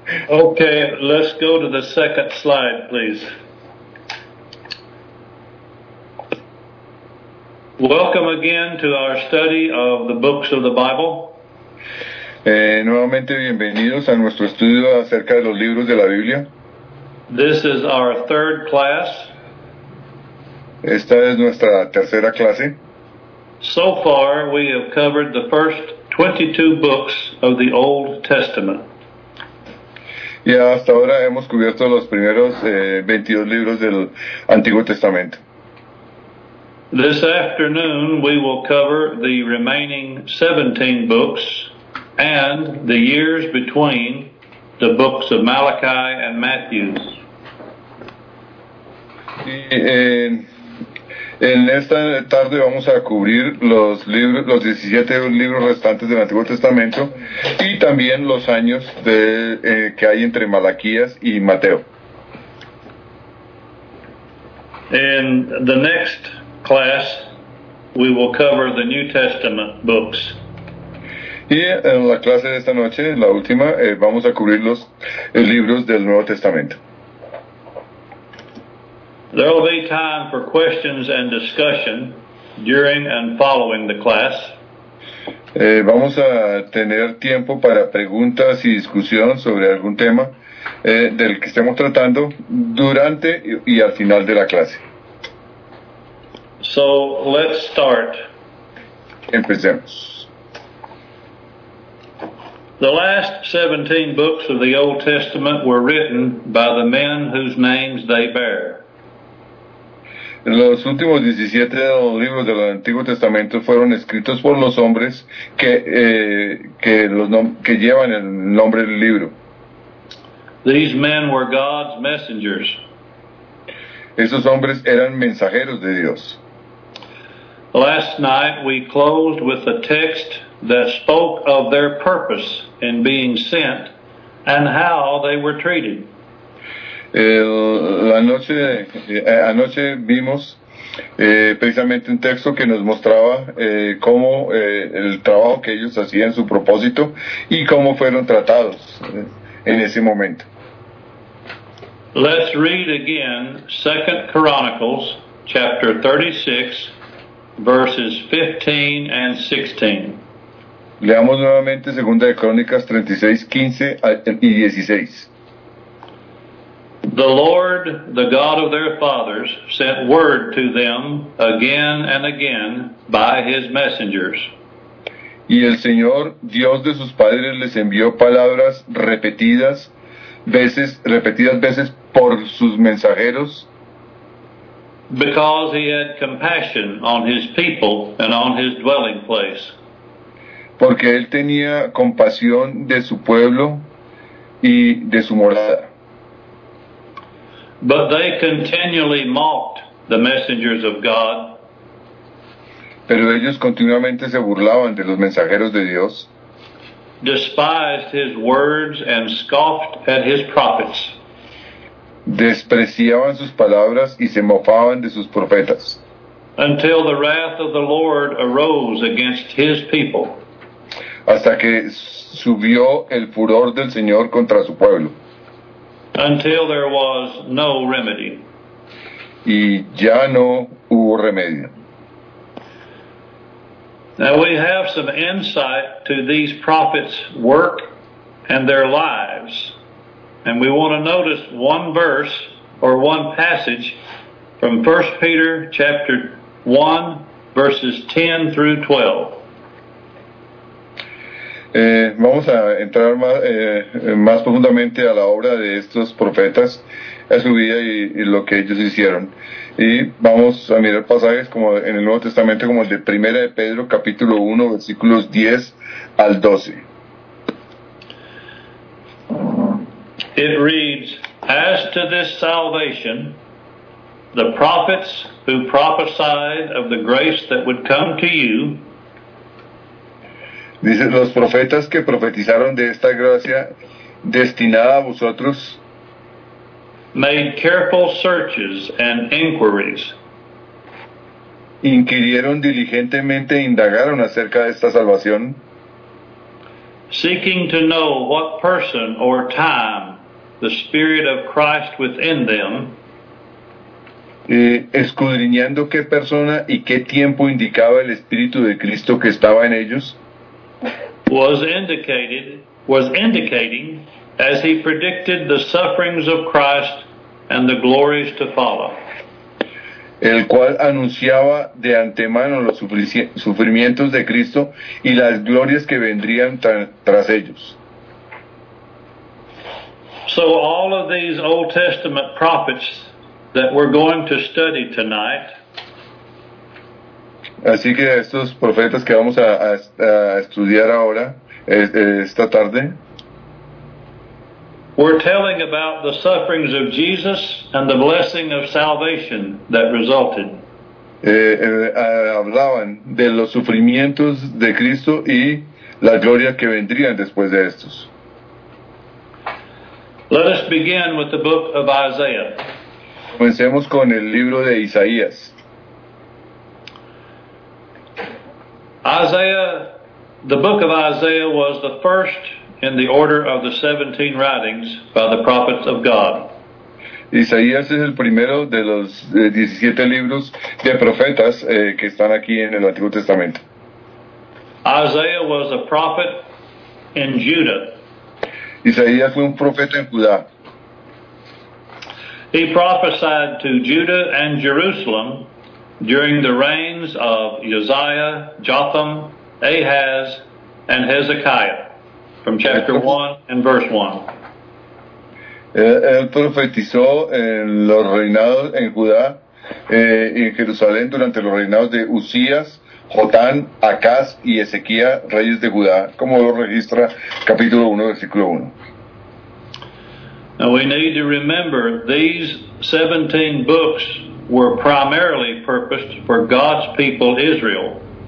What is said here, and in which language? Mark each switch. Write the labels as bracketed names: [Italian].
[English] Okay, let's go to the second slide, please. Welcome again to our study of the books of the Bible. [Spanish] Nuevamente bienvenidos a nuestro estudio acerca de los libros de la Biblia. [English] This is our third class. [Spanish] Esta es nuestra tercera clase. [English] So far, we have covered the first 22 books of the Old Testament. [Spanish] Y hasta ahora hemos cubierto los primeros 22 libros del Antiguo Testamento. [English] This afternoon, we will cover the remaining 17 books and the years between the books of Malachi and Matthew. [Spanish] En esta tarde vamos a cubrir los 17 libros restantes del Antiguo Testamento y también los años que hay entre Malaquías y Mateo. [English] In the next class, we will cover the New Testament books. [Spanish] Y en la clase de esta noche, la última, vamos a cubrir los libros del Nuevo Testamento. [English] There will be time for questions and discussion during and following the class. [Spanish] Vamos a tener tiempo para preguntas y discusión sobre algún tema del que estemos tratando durante y al final de la clase. [English] So, let's start. [Spanish] Empecemos. [English] The last 17 books of the Old Testament were written by the men whose names they bear. [Spanish] Los últimos 17 de los libros del Antiguo Testamento fueron escritos por los hombres que llevan el nombre del libro. [English] These men were God's messengers. [Spanish] Esos hombres eran mensajeros de Dios. [English] Last night we closed with a text that spoke of their purpose in being sent and how they were treated. [Spanish] Anoche vimos precisamente un texto que nos mostraba cómo el trabajo que ellos hacían, su propósito, y cómo fueron tratados en ese momento. [English] Let's read again 2 Chronicles chapter 36, verses 15 and 16. [Spanish] Leamos nuevamente 2 Crónicas 36, 15 y 16. [English] The Lord, the God of their fathers, sent word to them again and again by his messengers. [Spanish] Y el Señor, Dios de sus padres, les envió palabras repetidas veces por sus mensajeros. [English] Because he had compassion on his people and on his dwelling place. [Spanish] Porque él tenía compasión de su pueblo y de su morada. [English] But they continually mocked the messengers of God. [Spanish] Pero ellos continuamente se burlaban de los mensajeros de Dios. [English] Despised his words and scoffed at his prophets. [Spanish] Despreciaban sus palabras y se mofaban de sus profetas. [English] Until the wrath of the Lord arose against his people. [Spanish] Hasta que subió el furor del Señor contra su pueblo. [English] Until there was no remedy. [Spanish] Y ya no hubo remedio. [English] Now we have some insight to these prophets' work and their lives. And we want to notice one verse or one passage from 1 Peter chapter 1, verses 10 through 12. [Spanish] Vamos a entrar más profundamente a la obra de estos profetas, a su vida y lo que ellos hicieron. Y vamos a mirar pasajes como en el Nuevo Testamento, como el de 1 de Pedro, capítulo 1, versículos 10 al 12. [English] It reads, as to this salvation, the prophets who prophesied of the grace that would come to you. [Spanish] Dice, los profetas que profetizaron de esta gracia destinada a vosotros [English] made careful searches and inquiries [Spanish] inquirieron diligentemente e indagaron acerca de esta salvación, [English] seeking to know what person or time the Spirit of Christ within them, [Spanish] escudriñando qué persona y qué tiempo indicaba el Espíritu de Cristo que estaba en ellos, [English] was indicating as he predicted the sufferings of Christ and the glories to follow. [Spanish] El cual anunciaba de antemano los sufrimientos de Cristo y las glorias que vendrían tras ellos. [English] So all of these Old Testament prophets that we're going to study tonight, [Spanish] así que estos profetas que vamos a estudiar ahora, esta tarde, [English] we're telling about the sufferings of Jesus and the blessing of salvation that resulted. [Spanish] Hablaban de los sufrimientos de Cristo y la gloria que vendrían después de estos. [English] Let us begin with the book of Isaiah. [Spanish] Comencemos con el libro de Isaías. [English] Isaiah, the book of Isaiah was the first in the order of the 17 writings by the prophets of God. [Spanish] Isaías es el primero de los 17 libros de profetas que están aquí en el Antiguo Testamento. [English] Isaiah was a prophet in Judah. [Spanish] Isaías fue un profeta en Judá. [English] He prophesied to Judah and Jerusalem during the reigns of Uzziah, Jotham, Ahaz, and Hezekiah. From chapter 1 and verse 1. [Spanish] Él profetizó en los reinados en Judá y en Jerusalén durante los reinados de Uzías, Jotán, Acaz y Ezequías, reyes de Judá, como lo registra capítulo 1, versículo 1. [English] Now we need to remember these 17 books were primarily purposed for God's people Israel.